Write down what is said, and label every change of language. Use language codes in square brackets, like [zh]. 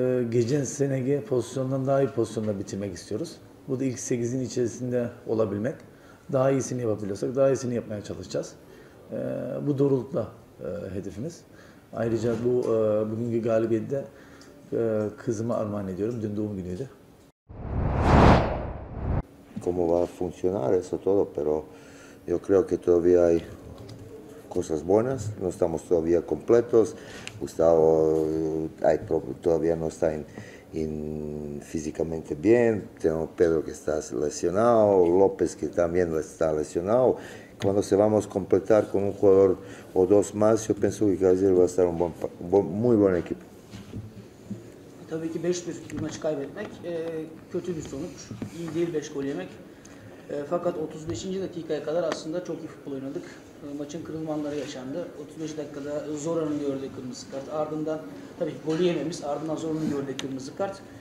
[tr] Geçen seneki pozisyondan daha iyi pozisyonla bitirmek istiyoruz. Bu da ilk 8'in içerisinde olabilmek. Daha iyisini yapabiliyorsak daha iyisini yapmaya çalışacağız. Bu doğrultuda hedefimiz. Ayrıca bu bugünkü galibiyette kızıma armağan ediyorum. Dün doğum günüydü. [es] Como va a funcionar eso todo, pero yo creo que todavía hay cosas buenas. No estamos todavía completos. Gustavo todavía no está físicamente bien, tengo Pedro que está lesionado, López que también está lesionado. Cuando se vamos a completar con un jugador o dos más, yo pienso que Kayseri va a estar un muy buen equipo. [tr] Tabii ki 5-1 bir maçı kaybetmek kötü bir sonuç. İyi değil 5 gol yemek. Fakat 35. dakikaya kadar aslında çok iyi futbol oynadık. Maçın kırılma anları yaşandı. 35 dakikada Zoran'ın gördüğü kırmızı kart. Ardından tabii golü yememiz, ardından Zoran'ın gördüğü kırmızı kart.